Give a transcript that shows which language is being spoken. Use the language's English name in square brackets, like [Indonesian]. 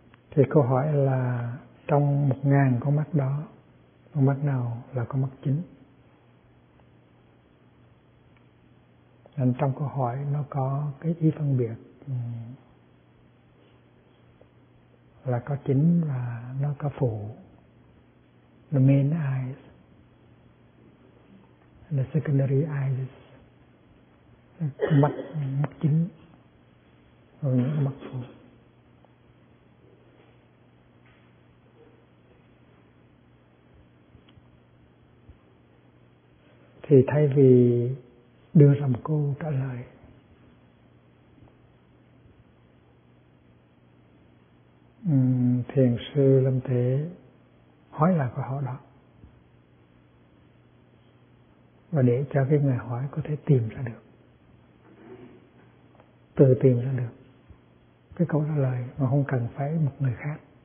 [Vietnamese] Thì câu hỏi là trong 1000 con mắt đó, con mắt nào là con mắt chính? Nên trong câu hỏi nó có cái ý phân biệt là có chính và nó có phụ. [English] The main eyes and the secondary eyes. [Vietnamese] Mắt chính và những mắt phụ. Thì thay vì đưa ra một câu trả lời, thiền sư Lâm Thế hỏi lại câu hỏi đó và để cho cái người hỏi có thể tìm ra được, tự tìm ra được cái câu trả lời mà không cần phải một người khác.